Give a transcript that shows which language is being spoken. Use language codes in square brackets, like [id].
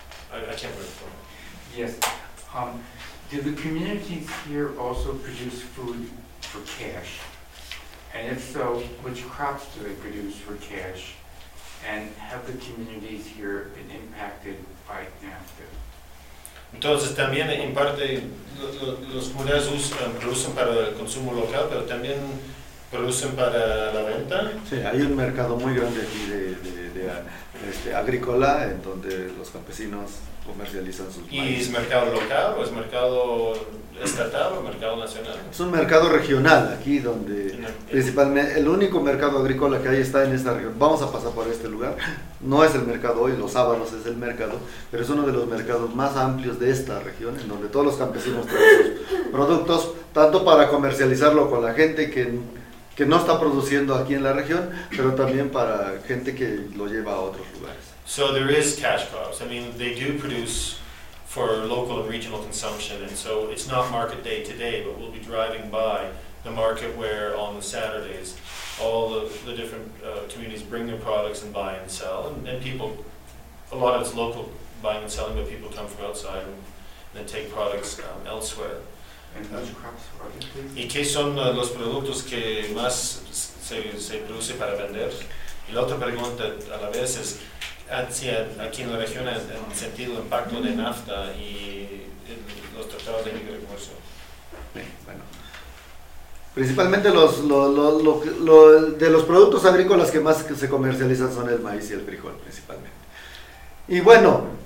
[en] I can't wait for it. Yes. Do the communities here also produce food for cash? And if so, which crops do they produce for cash? And have the communities here been impacted by NAFTA? [es] Entonces, también en parte los comunidades producen para el consumo local, pero también producen para la venta. Sí, hay un mercado muy grande aquí de agrícola, en donde los campesinos comercializan sus maíz. ¿Y es mercado local o es mercado estatal o mercado nacional? Es un mercado regional aquí donde principalmente el único mercado agrícola que hay está en esta región. Vamos a pasar por este lugar. No es el mercado hoy, los sábados es el mercado, pero es uno de los mercados más amplios de esta región, en donde todos los campesinos traen sus productos, tanto para comercializarlo con la gente que no está produciendo aquí en la región, pero también para gente que lo lleva a otros lugares. [en] So there is cash crops. I mean, they do produce for local and regional consumption, and so it's not market day today, but we'll be driving by the market where on the Saturdays all the different communities bring their products and buy and sell, and people, a lot of it's local buying and selling, but people come from outside and then take products elsewhere. And which crops are they, please? [es] ¿Y qué son los productos que más se produce para vender? Y la otra pregunta a la vez es, aquí en la región han sentido el impacto de NAFTA y los tratados de libre comercio. Bueno, principalmente de los productos agrícolas que más se comercializan son el maíz y el frijol, principalmente. Y bueno,